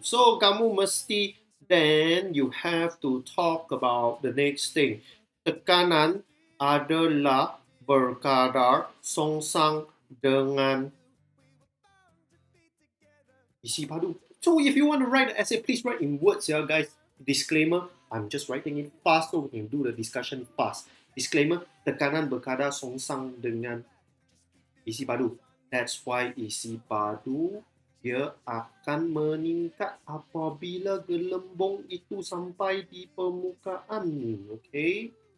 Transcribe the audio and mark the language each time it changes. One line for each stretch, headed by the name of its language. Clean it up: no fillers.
English: So,
Malay: kamu mesti,
English: then you have to talk about the next thing.
Malay: Tekanan adalah berkadar songsang dengan isi padu.
English: So, if you want to write an essay, please write in words, yeah, guys. Disclaimer, I'm just writing it fast so we can do the discussion fast.
Malay: Disclaimer, tekanan berkadar songsang dengan isi padu.
English: That's why
Malay: isi padu dia akan meningkat apabila gelembung itu sampai di permukaan. Okay.